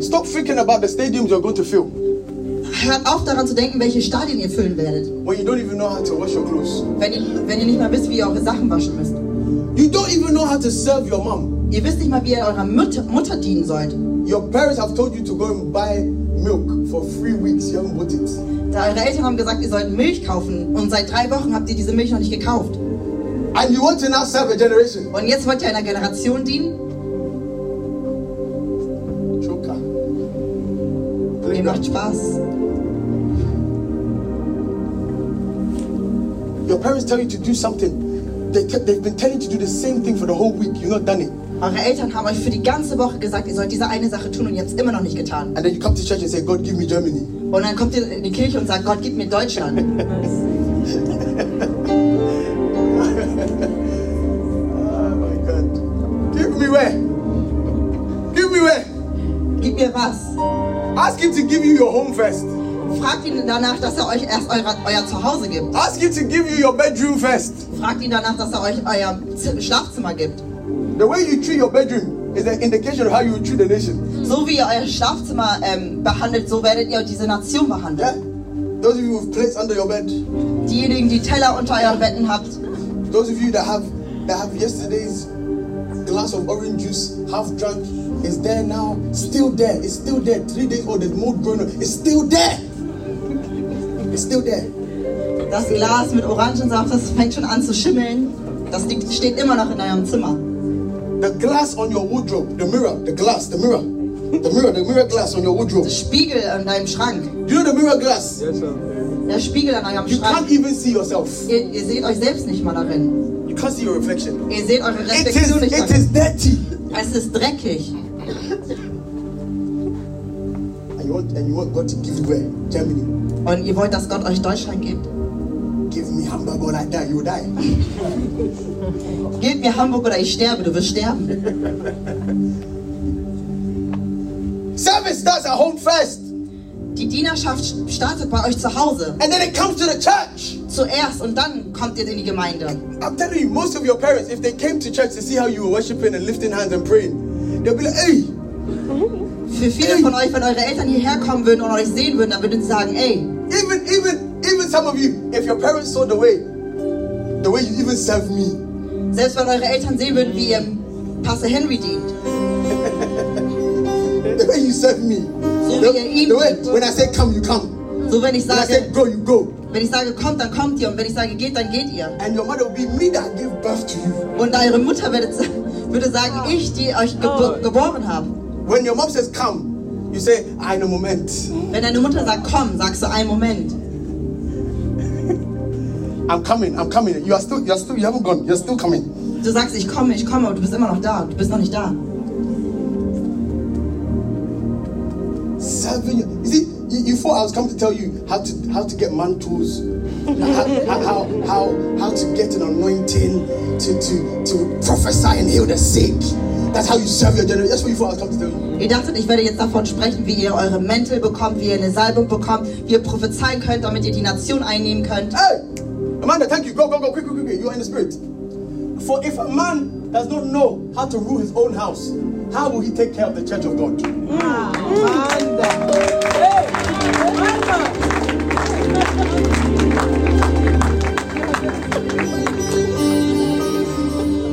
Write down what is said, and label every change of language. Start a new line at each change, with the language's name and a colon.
English: Stop freaking about the stadiums you're going to fill.
German: Hört auf daran zu denken, welche Stadien ihr füllen werdet.
English: When you don't even know how to wash your clothes.
German: Wenn ihr nicht mal wisst, wie ihr eure Sachen waschen müsst.
English: You don't even know how to serve your mom.
German: Ihr wisst nicht mal, wie ihr eurer Mutter dienen sollt.
English: Your parents have told you to go and buy milk for 3 weeks. You haven't bought it.
German: Da eure Eltern haben gesagt, ihr sollt Milch kaufen. Und seit 3 Wochen habt ihr diese Milch noch nicht gekauft.
English: And you want to now serve a generation.
German: Und jetzt wollt ihr einer Generation dienen?
English: Joker.
German: Mir macht Spaß.
English: Your parents tell you to do something. They've been telling you to do the same thing for the whole week. You've not done it.
German: Eure Eltern haben euch für die ganze Woche gesagt, ihr sollt diese eine Sache tun und jetzt immer noch nicht getan.
English: And then you come to church and say, God, give me Germany.
German: Und dann kommt ihr in die Kirche und sagt, Gott, gib mir Deutschland.
English: Oh my God. Give me where?
German: Gib mir was?
English: Ask him to give you your home first.
German: Fragt ihn danach, dass er euch erst euer Zuhause gibt.
English: Ask him to give you your bedroom first.
German: Fragt ihn danach, dass er euch euer Schlafzimmer gibt.
English: The way you treat your bedroom is an indication of how you treat the nation.
German: So wie ihr euer Schlafzimmer behandelt, so werdet ihr diese Nation behandeln.
English: Yeah. Those of you who have plates under your bed.
German: Diejenigen, die Teller unter euren Betten habt.
English: Those of you that have yesterday's glass of orange juice half drunk is there now, still there. It's still there. 3 days old, the mold growing. It's still there. It's still there.
German: Das Glas mit Orangensaft, das fängt schon an zu schimmeln. Das steht immer noch in eurem Zimmer.
English: The glass on your wardrobe, the mirror, the glass, the mirror. The mirror glass on your wardrobe.
German: Der Spiegel an deinem Schrank.
English: Do you know the mirror glass? Yes, sir.
German: Der Spiegel an eurem
English: Schrank. You can't even see yourself.
German: Ihr seht euch selbst nicht mal darin.
English: You can't see your reflection.
German: Ihr seht eure Reflexion nicht.
English: It is dirty.
German: Es ist dreckig.
English: And you want God to give you where? Germany.
German: Und ihr wollt, dass Gott euch Deutschland gibt?
English: Give me Hamburg or I die, you die.
German: Gib mir Hamburg oder ich sterbe, du wirst sterben.
English: Service starts at home first.
German: Die Dienerschaft startet bei euch zu Hause.
English: And then it comes to the church.
German: Zuerst und dann kommt ihr in die Gemeinde.
English: I'm telling you, most of your parents, if they came to church to see how you were worshiping and lifting hands and praying, they'll be like, hey.
German: Für viele von euch, wenn eure Eltern hierher kommen würden und euch sehen würden, dann würden sie sagen, hey.
English: Even even some of you, if your parents saw the way you even serve me.
German: Selbst wenn eure Eltern sehen würden, wie ihr Pastor Henry dient.
English: The way you serve me. So the way, when I say come, you come.
German: So wenn ich sage,
English: when I say go, you go.
German: Wenn ich sage, kommt, dann kommt ihr. Und wenn ich sage, geht, dann geht ihr.
English: And your mother will be me that gave birth to you.
German: Und eure Mutter würde sagen, ich, die euch geboren habe.
English: When your mom says come, you say,
German: ein Moment. Wenn deine Mutter sagt, komm, sagst du, ein Moment.
English: I'm coming. You haven't gone. You're still coming.
German: Du sagst, ich komme, aber du bist immer noch da. Du bist noch nicht da.
English: Serving you. You see, you thought I was coming to tell you how to get mantles, how to get an anointing, to prophesy and heal the sick. That's how you serve your generation. That's what you thought I was coming to tell you.
German: Ihr dachtet, ich werde jetzt davon sprechen, wie ihr eure Mäntel bekommt, wie ihr eine Salbung bekommt, wie ihr prophezeien könnt, damit ihr die Nation einnehmen könnt.
English: Hey, Amanda, thank you. Go, quick. You are in the spirit. For if a man does not know how to rule his own house, how will he take care of the church of God? Amanda. Hey, Amanda.